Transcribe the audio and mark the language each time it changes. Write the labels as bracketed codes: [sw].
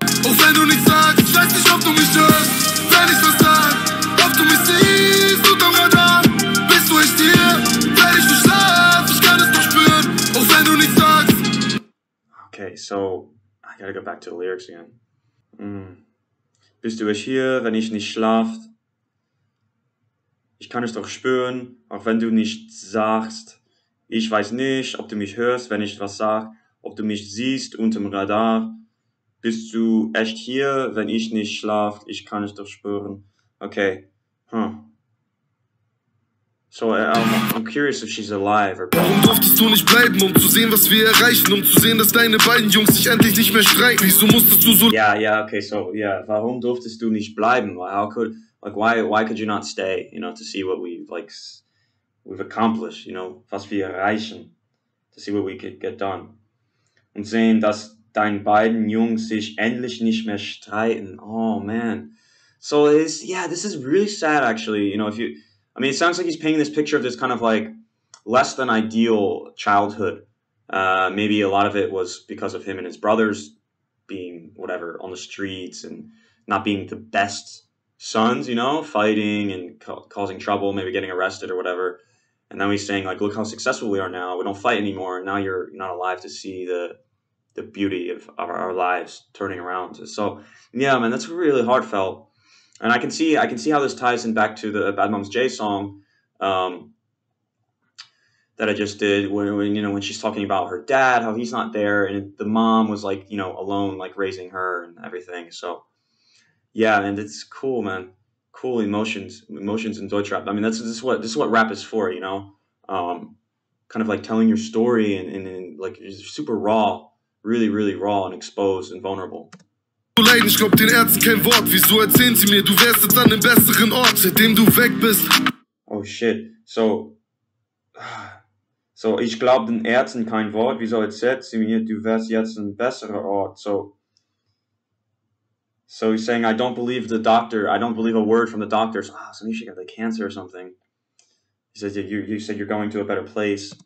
[en] Okay, so I gotta go back to the lyrics again. [de] Bist du es hier, wenn ich nicht schlaf? Ich kann es doch spüren, auch wenn du nicht sagst. Ich weiß nicht, ob du mich hörst, wenn ich was sag. Ob du mich siehst unterm Radar. Bist du echt hier, wenn ich nicht schlaf? Ich kann es doch spüren. Okay. Huh. [en] So I'm curious if she's alive or. [de] Warum durftest du nicht bleiben, um zu sehen, was wir erreichen, um zu sehen, dass deine beiden Jungs sich endlich nicht mehr streiten? Wieso musstest du so? Warum durftest du nicht bleiben? [en] Why could you not stay, you know, to see what we've accomplished, you know, [de] was wir erreichen, [en] to see what we could get done. [de] Und sehen, dass dein beiden Jungs sich endlich nicht mehr streiten. [en] Oh, man. So, this is really sad, actually. You know, it sounds like he's painting this picture of this kind of, like, less than ideal childhood. Maybe a lot of it was because of him and his brothers being, whatever, on the streets and not being the best sons, you know, fighting and causing trouble, maybe getting arrested or whatever. And then he's saying, like, look how successful we are now. We don't fight anymore. Now you're not alive to see the beauty of our lives turning around. So, yeah, man, that's really heartfelt. And I can see how this ties in back to the Bad Moms J song that I just did when she's talking about her dad, how he's not there. And the mom was, like, you know, alone, like, raising her and everything. So. Yeah, and it's cool, man. Cool emotions in Deutschrap. I mean, this is what rap is for, you know. Kind of like telling your story and like it's super raw, really, really raw and exposed and vulnerable. [de] Ich glaub den Ärzten kein Wort. Wieso erzählen sie mir, du wärst jetzt an einem besseren Ort, seitdem du weg bist? [en] Oh shit. [de] So ich glaub den Ärzten kein Wort. Wieso erzählen sie mir, du wärst jetzt ein besserer Ort? [en] So he's saying, I don't believe the doctor. I don't believe a word from the doctors. Oh, so maybe she got the cancer or something. He says, yeah, you said you're going to a better place.